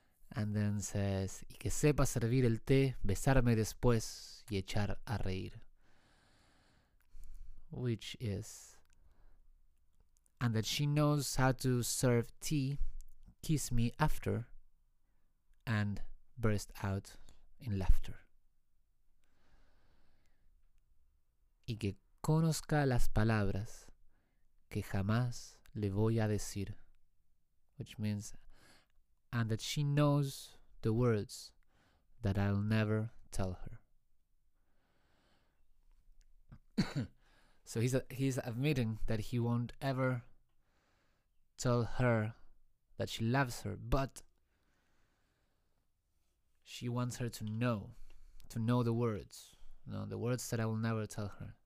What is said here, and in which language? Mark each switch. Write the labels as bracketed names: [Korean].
[English] And then says, [Spanish] "Y que sepa servir el té, besarme después y echar a reír." [English] Which is, "And that she knows how to serve tea, kiss me after, and burst out in laughter." [Spanish] "Y que conozca las palabras que jamás le voy a decir." [English] Which means, "And that she knows the words that I'll never tell her." So he's admitting that he won't ever tell her that she loves her, but she wants her to know the words, you know, the words that I will never tell her.